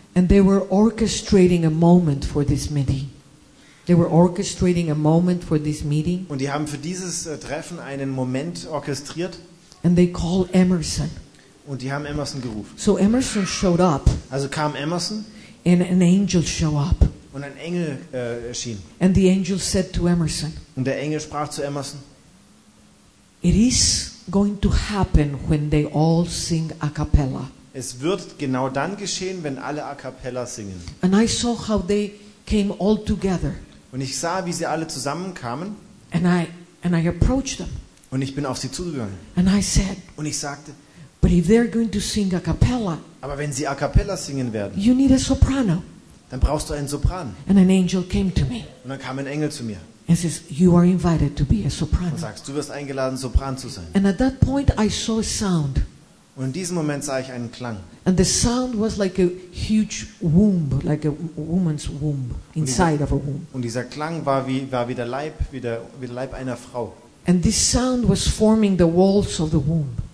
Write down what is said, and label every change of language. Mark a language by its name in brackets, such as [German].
[English] And they were orchestrating a moment for this meeting. They were orchestrating a moment for this meeting. [German] Und die haben für dieses Treffen einen Moment orchestriert. [English] And they called Emerson. [German] Und die haben Emerson gerufen. [English] So Emerson showed up. [German] Also kam Emerson. [English] And an angel showed up. [German] Und ein Engel erschien. [English] And the angel said to Emerson. [German] Und der Engel sprach zu Emerson. [English] It is going to happen when they all sing a cappella. [German] Es wird genau dann geschehen, wenn alle a cappella singen. [English] And I saw how they came all together. [German] Und ich sah, wie sie alle zusammenkamen. [English] And I approached them. [German] Und ich bin auf sie zugegangen. [English] And I said. [German] Und ich sagte. [English] But if they're going to sing a cappella. [German] Aber wenn sie a cappella singen werden. [English] You need a soprano. [German] Dann brauchst du einen Sopran. [English] And an angel came to me. [German] Und dann kam ein Engel zu mir. [English] And says, you are invited to be a soprano. [German] Und sagst, du wirst eingeladen, Sopran zu sein. [English] And at that point I saw a sound. [German] Und in diesem Moment sah ich einen Klang. [English] And the sound was like a huge womb, like a woman's womb, inside of a womb. [German] Und dieser Klang war wie der Leib, wie der Leib einer Frau. [English] And this sound was forming the walls of the womb.